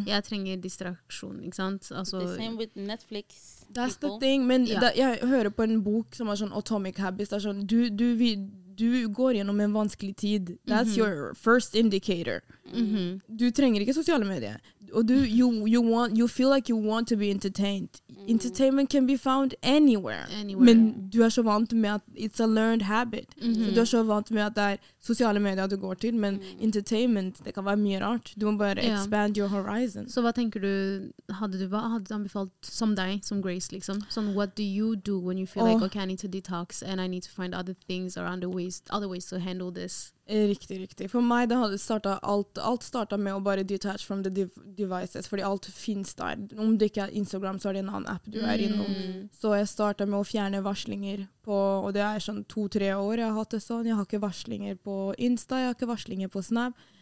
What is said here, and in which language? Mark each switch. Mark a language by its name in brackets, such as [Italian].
[Norwegian] Jeg trenger distraksjon, ikke sant? Altså, [English] the same with Netflix. That's people. The thing, [Norwegian] men jeg hører på en bok som er sånn Atomic Habits, det er sånn, du går gjennom en vanskelig tid. [English] That's mm-hmm. your first indicator. Mm-hmm. [Norwegian] Du trenger ikke sosiale medier. Og du, [English] you feel like you want to be entertained. Mm. Entertainment can be found anywhere. [Norwegian] Men du er så vant med at [English] it's a learned habit. Mm-hmm. [Norwegian] Så du er så vant med at det er sosiale medier du går til, men entertainment, det kan være mye rart. Du må bare [English] expand your horizon. [Norwegian] Så hva tenker du, hadde du anbefalt som deg, som Grace, liksom? [English] So what do you do when you feel like, okay, I need to detox and I need to find other things or other ways to handle this? [Norwegian] Riktig. For meg, det hadde startet alt startet med å bare [English] detach from the devices, [Norwegian] fordi alt finnes der. Om det ikke er Instagram, så er det en annen app du er innom. Så jeg startet med å fjerne varslinger på, og det er sånn 2-3 år jeg har hatt det sånn. Jeg har ikke varslinger på Insta, jeg har ikke varslinger på Snap.